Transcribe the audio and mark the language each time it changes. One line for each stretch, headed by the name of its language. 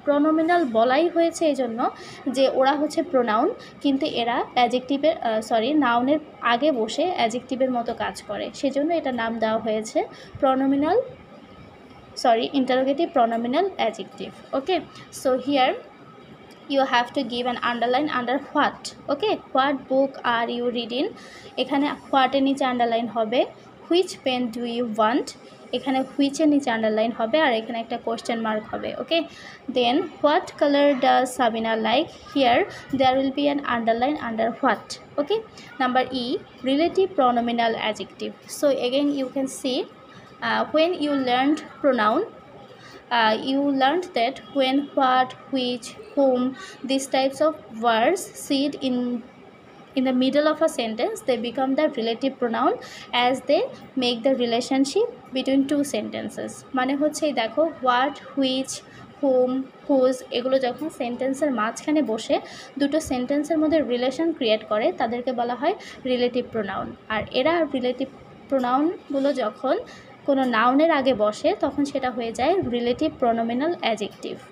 Bangla: Pronominal বলাই হয়েছে এই জন্য যে ওরা হচ্ছে প্রোনাউন, কিন্তু এরা অ্যাডজেক্টিভের নাউনের আগে বসে অ্যাডজেক্টিভের মতো কাজ করে, সেজন্য এটা নাম দেওয়া হয়েছে pronominal, interrogative pronominal adjective.
English: Okay, so here you have to give an underline under what.
Bangla: Okay,
English: what book are you reading,
Bangla: এখানে what এর নিচে আন্ডারলাইন হবে,
English: which pen do you want,
Bangla: এখানে which এর নিচে আন্ডারলাইন হবে, আর এখানে একটা question mark হবে.
English: Okay, then what color does Sabina like, here there will be an underline under what. Okay, number E, relative pronominal adjective. So again you can see when you learned pronoun, you learned that when, what, which, whom, these types of words sit in the middle of a sentence, they become the relative pronoun as they make the relationship between two sentences.
Bangla: মানে হচ্ছে দেখো, what, which, whom, whose এগুলো যখন সেন্টেন্সের মাঝখানে বসে দুটো সেন্টেন্সের মধ্যে রিলেশন ক্রিয়েট করে তাদেরকে বলা হয় রিলেটিভ প্রোনাউন, আর এরা রিলেটিভ প্রোনাউনগুলো যখন কোনো নাউনের আগে বসে তখন সেটা হয়ে যায় রিলেটিভ প্রোনোমিনাল অ্যাডজেক্টিভ.